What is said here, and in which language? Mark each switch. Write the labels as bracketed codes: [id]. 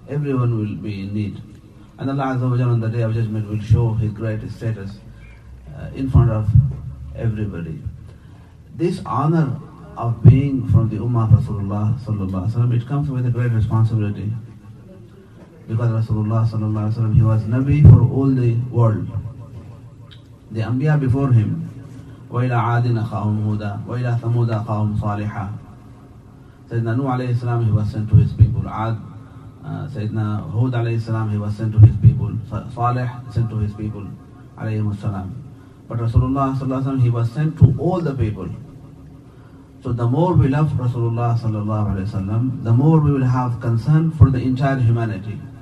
[en] Everyone will be in need. And Allah Azza wa Jal on the Day of Judgment will show his great status in front of everybody. This honor of being from the Ummah of Rasulullah sallallahu alayhi wa sallam, it comes with a great responsibility. Because Rasulullah sallallahu alayhi wa sallam, he was Nabi for all the world. The Anbiya before him, [ar] وَإِلَىٰ عَادٍ أَخَاهُمْ هُودًا وَإِلَىٰ ثَمُودَ أَخَاهُمْ صَالِحًا. [en] Sayyidina Nuh alayhi salam, he was sent to his people, Aad. Sayyidina Hud alayhi salam, he was sent to his people, Salih, sent to his people alayhi salam. But Rasulullah sallallahu alayhi wa sallam, he was sent to all the people. So the more we love Rasulullah sallallahu alayhi wa sallam, the more we will have concern for the entire humanity.